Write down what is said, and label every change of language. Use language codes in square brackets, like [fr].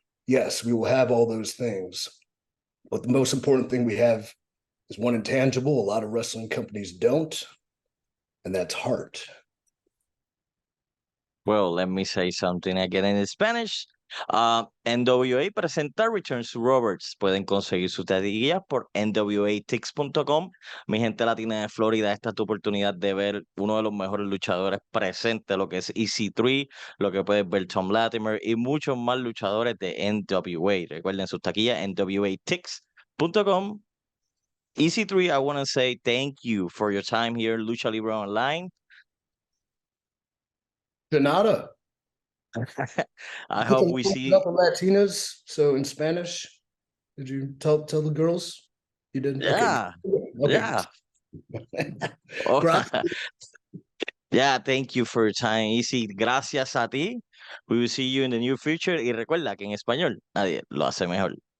[en] Yes, we will have all those things. But the most important thing we have is one intangible. A lot of wrestling companies don't, and that's heart. Well, let me say something again in Spanish. [es] NWA presenta Returns to Roberts. Pueden conseguir su taquilla por nwatix.com. Mi gente latina de Florida, esta es tu oportunidad de ver uno de los mejores luchadores presentes, lo que es EC3, lo que puedes ver Tom Latimer y muchos más luchadores de NWA. Recuerden sus taquillas nwatix.com. [en] EC3, I want to say thank you for your time here, Lucha Libre Online. [es] De nada. [en] I hope we see the Latinas. So in Spanish, did you tell the girls? You didn't. Yeah. Okay. Yeah. Yeah. Thank you for your time, Easy. [es] Gracias a ti. [en] We will see you in the new future. [es] Y recuerda que en español nadie lo hace mejor.